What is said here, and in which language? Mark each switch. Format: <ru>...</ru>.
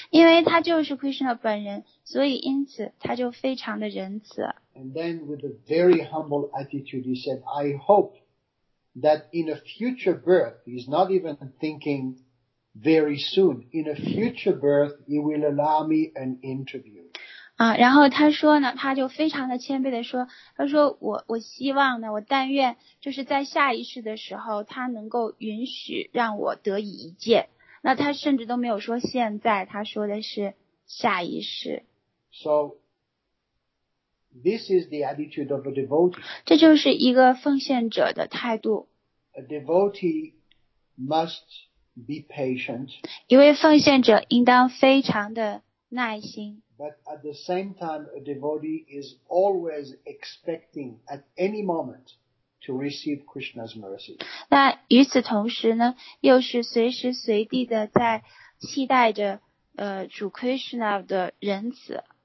<zh>因为他就是 Krishna 本人，所以因此他就非常的仁慈。</zh> <en>And then with a very humble attitude, he said, I hope. That in a future birth, he's not even thinking very soon. In a future birth, he will allow me an interview.</en> <zh>然后他说呢，他就非常的谦卑的说，他说我希望呢，我但愿就是在下一世的时候，他能够允许让我得以一见。那他甚至都没有说现在，他说的是下一世。</zh> <en>So. This is the attitude of a devotee.</en> <zh>这就是一个奉献者的态度。</zh> <en>A devotee must be patient.</en> <zh>一位奉献者应当非常的耐心。</zh> <en>But at the same time, a devotee is always expecting at any moment to receive Krishna's mercy.</en> <zh>那与此同时呢，又是随时随地的在期待着主 Krishna 的仁慈。</zh>